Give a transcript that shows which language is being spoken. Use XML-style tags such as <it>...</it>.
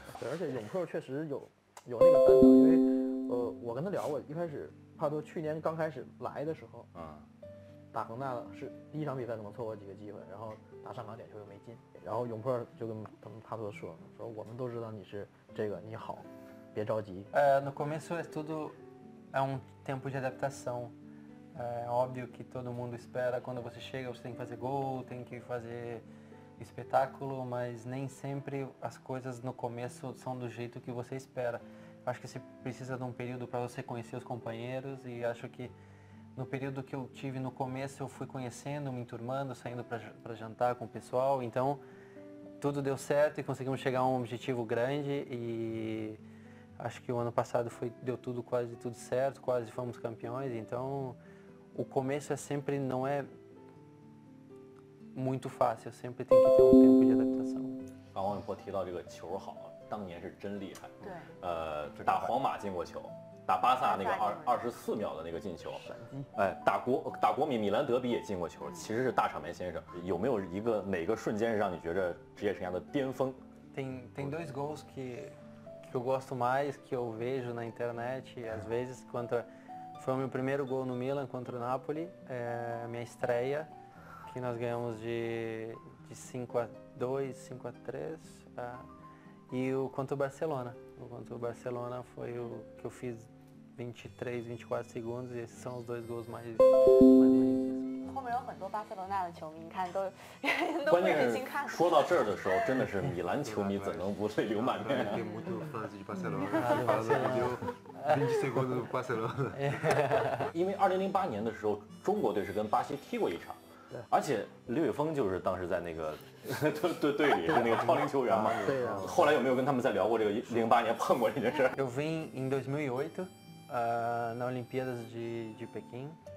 <zh>而且永珀确实有那个担当，因为我跟他聊过，一开始帕托去年刚开始来的时候，打恒大是第一场比赛，可能错过几个机会，然后打上港点球又没进，然后永珀就跟他们帕托说我们都知道你是这个，你好，别着急。</zh> <pt>No começo é tudo é tempo de adaptação. É óbvio que todo mundo espera, quando você chega você tem que fazer gol, tem que fazer espetáculo, mas nem sempre as coisas no começo são do jeito que você espera. Acho que você precisa de um período para você conhecer os companheiros e acho que no período que eu tive no começo eu fui conhecendo, me enturmando, saindo para jantar com o pessoal, então tudo deu certo e conseguimos chegar a um objetivo grande e... Acho que o ano passado deu tudo, quase tudo certo, quase fomos campeões, então o começo é sempre não é muito fácil, sempre tem que ter tempo de adaptação.</pt> <zh>王永珀提到这个球好，当年是真厉害。对。打皇马进过球，打巴萨那个24秒的那个进球。闪击。哎，打国米米兰德比也进过球，其实是大场面先生。有没有一个哪个瞬间是让你觉得职业生涯的巅峰？</zh> <pt>Tem dois gols que eu gosto mais, que eu vejo na internet, às vezes, contra... Foi o meu primeiro gol no Milan contra o Napoli, minha estreia, que nós ganhamos de 5-2, 5-3, e o contra o Barcelona. O contra o Barcelona foi o que eu fiz 23, 24 segundos, e esses são os dois gols mais bonitos.</pt> <zh>后面有很多巴塞罗那的球迷，你看都关键是说到这儿的时候，真的是米兰球迷怎能不泪流满面啊？有很多粉丝巴塞罗那，巴塞罗那就零几岁过的巴塞罗那。因为2008年的时候，中国队是跟巴西踢过一场，而且李伟峰就是当时在那个队里是那个超龄球员嘛。对啊。后来有没有跟他们在聊过这个2008年碰过这件事</zh> <pt>？Eu vim em 2008, na Olimpíadas de Pequim.</pt>